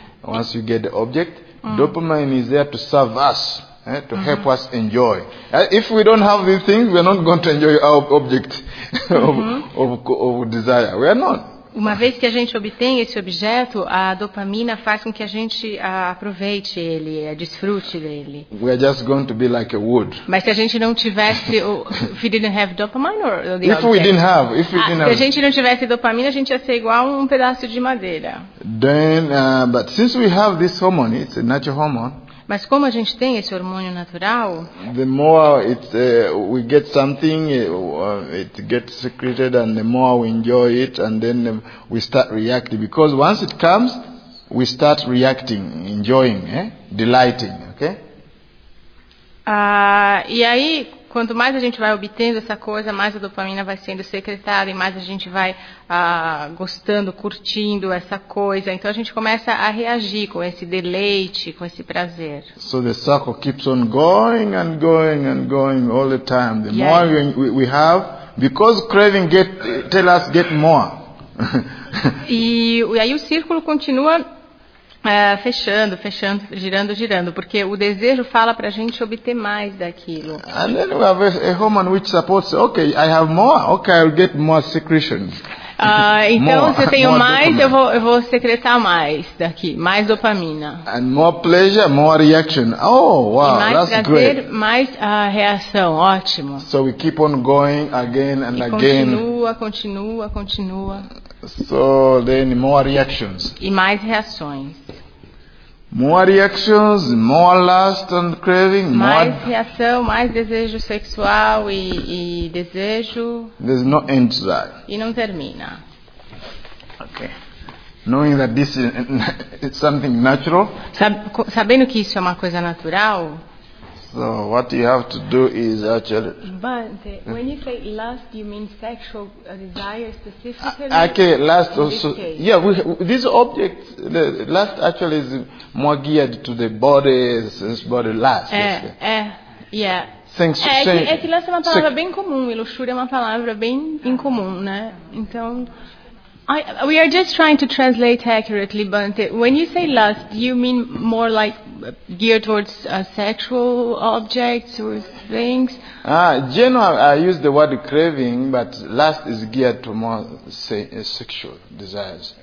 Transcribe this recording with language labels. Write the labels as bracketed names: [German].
[English] Once you get the object, dopamine is there to serve us, to help us enjoy. If we don't have these things, we are not going to enjoy our object of desire. We are not. [Portuguese] Uma vez que a gente obtém esse objeto, a dopamina faz com que a gente aproveite ele, desfrute dele. [English] We are just going to be like a wood. [Portuguese] Mas se a gente não tivesse, [English] if we didn't have dopamine or the object. [Portuguese] Se a gente não tivesse dopamina, a gente ia ser igual um pedaço de madeira. [English] Then, but since we have this hormone, it's a natural hormone. [Portuguese] Mas como a gente tem esse hormônio natural? [English] The more we get something, it gets secreted, and the more we enjoy it, and then we start reacting. Because once it comes, we start reacting, enjoying, delighting, okay? [Portuguese] E aí, quanto mais a gente vai obtendo essa coisa, mais a dopamina vai sendo secretada e mais a gente vai gostando, curtindo essa coisa. Então a gente começa a reagir com esse deleite, com esse prazer. [English] So the circle keeps on going and going and going all the time. The more we have, because craving tell us get more. [Portuguese] E aí o círculo continua fechando, girando, porque o desejo fala para a gente obter mais daquilo. [English] And then we have a hormone which supports, okay, I have more, okay, I'll get more secretions. [Portuguese] Então, se eu tenho mais, eu vou secretar mais daqui, mais dopamina. [English] And more pleasure, more reaction. Oh, wow, that's great. [Portuguese] Mais prazer, mais reação, ótimo. [English] So we keep on going again and again. [Portuguese] Continua. [English] So then more reactions. [Portuguese] E mais reações. [English] More reactions, more lust and craving. [Portuguese] Mais reação, mais desejo sexual e desejo. [English] There's no end to that. [Portuguese] E não termina. [English] Okay. Knowing that this is something natural. [Portuguese] Sabendo que isso é uma coisa natural. [English] So what you have to do is actually. But when you say lust, you mean sexual desire specifically? Okay, lust also. Yeah, these objects, the lust actually is more geared to the body, since body lust. [Portuguese] É que lust é uma palavra bem comum, e luxúria é uma palavra bem incomum, né? [English] Então. We are just trying to translate accurately, Bante. When you say lust, do you mean more like geared towards sexual objects or things? Generally, I use the word craving, but lust is geared to more sexual desires.